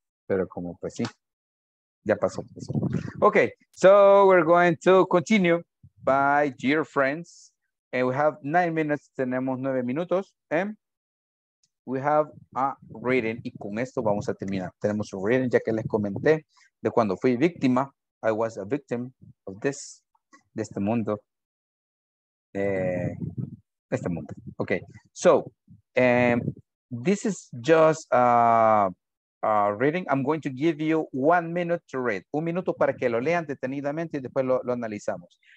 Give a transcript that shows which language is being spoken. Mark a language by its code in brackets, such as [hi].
[es] Pero como pues sí, ya pasó. Ok, so we're going to continue. [en] Bye, dear friends. And we have 9 minutes. Tenemos 9 minutos. And we have a reading. [es] Y con esto vamos a terminar. Tenemos un reading, ya que les comenté de cuando fui víctima. [en] I was a victim of this, de este mundo. Este mundo. Okay. So, this is just a reading. I'm going to give you 1 minute to read. [es] Un minuto para que lo lean detenidamente y después lo analizamos.